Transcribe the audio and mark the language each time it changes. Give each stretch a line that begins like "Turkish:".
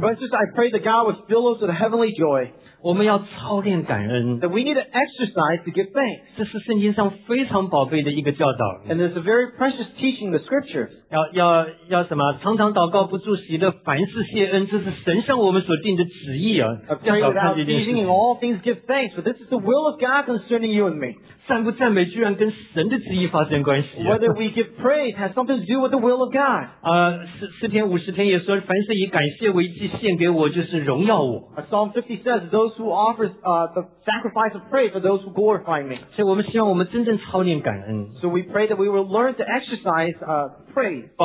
English: But just, I pray that God would fill us with a heavenly joy.
Chinese: 我们要操练感恩。
English: That we need to exercise to give thanks.
Chinese: 这是圣经上非常宝贝的一个教导。
English: And there's a very precious teaching in the scripture.
Chinese: 要什么？常常祷告，不住喜乐，凡事谢恩，这是神向我们所定的旨意啊。
English: Praying in all things give thanks, but this is the will of God concerning you and me.
Chinese: 赞不赞美居然跟神的旨意发生关系。Whether
English: we give praise has something to do with the will of God.
Chinese: 四篇五十篇也说，凡事以感谢为祭献给我，就是荣耀我。
English: Psalm 50 says, those who offer the sacrifice of praise for those who glorify me.
Chinese: 所以我们希望我们真正操练感恩。
English: So we pray that we will learn to exercise praise.